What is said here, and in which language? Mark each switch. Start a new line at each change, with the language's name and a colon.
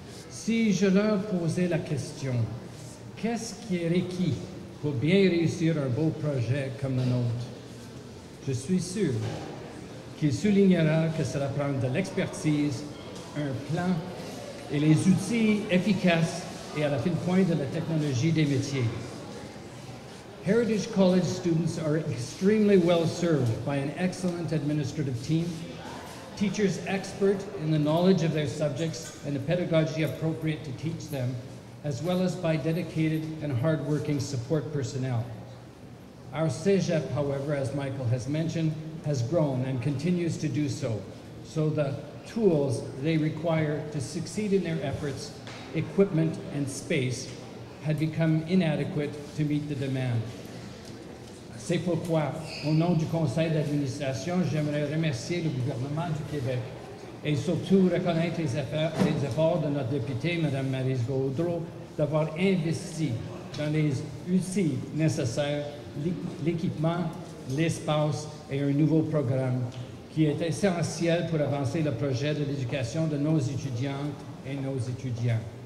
French: Si je leur posais la question, qu'est-ce qui est requis pour bien réussir un beau projet comme le nôtre? Je suis sûr qu'ils souligneront que cela prend de l'expertise, un plan et les outils efficaces et à la fine pointe de la technologie des métiers.
English: Heritage College students are extremely well served by an excellent administrative team, teachers expert in the knowledge of their subjects and the pedagogy appropriate to teach them, as well as by dedicated and hardworking support personnel. Our Cégep, however, as Michael has mentioned, has grown and continues to do so, so the tools they require to succeed in their efforts, equipment and space, had become inadequate to meet the demand.
French: C'est pourquoi, au nom du conseil d'administration, j'aimerais remercier le gouvernement du Québec et surtout reconnaître les efforts de notre députée, Mme Maryse Gaudreau, d'avoir investi dans les outils nécessaires, l'équipement, l'espace et un nouveau programme qui est essentiel pour avancer le projet de l'éducation de nos étudiantes et nos étudiants.